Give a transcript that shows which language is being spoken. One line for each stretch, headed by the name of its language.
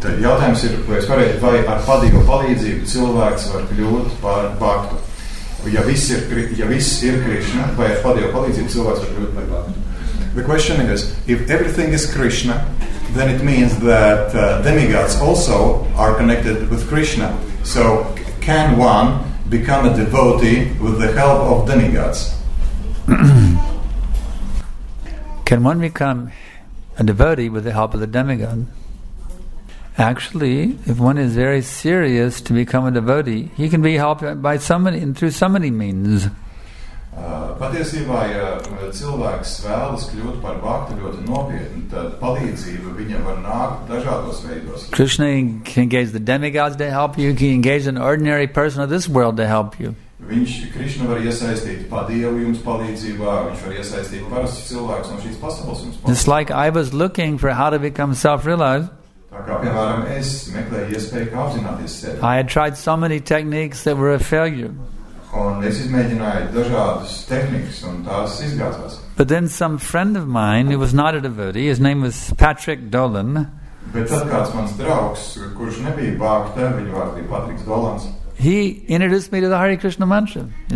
Russian: Тогда вопрос есть, вы
Latvian: ar padīva palīdzību cilvēks var kļūt par baktu. Ja viss ir Krishna, vai ar padīva palīdzību cilvēks var kļūt par baktu.
English: The question is, if everything is Krishna, then it means that demigods also are connected with Krishna. So, can one become a devotee with the help of demigods? Can one become a devotee with the help of the demigod? Actually, if one is very serious to become a devotee, he can be helped by somebody and through so many means.
Latvian: Patiesībā, ja cilvēks vēlas kļūt par bhakti ļoti nopietni, tad palīdzība viņam var nākt dažādos veidos.
English: Krishna can engage the demigods to help you, he can engage an ordinary person of this world to help you.
Latvian: Viņš, Krišna, var iesaistīt padievu jums palīdzībā, viņš var iesaistīt parasti cilvēkus no šīs pasaules jums palīdzībā.
English: Just like I was looking for how to become self-realized.
Latvian: Tā kā, piemēram, es meklēju iespēju, kā apzināties sevi.
English: I had tried so many techniques that were a failure.
Latvian: Un es izmēģināju dažādas tehnikas, un tās izgāzās.
English: But then some friend of mine, who was not a devotee, his name was Patrick Dolan.
Latvian: Bet tad kāds mans draugs, kurš nebija bākta, viņu vārds bija Patriks Dolans.
English: He introduced me to the Hare Krishna mantra.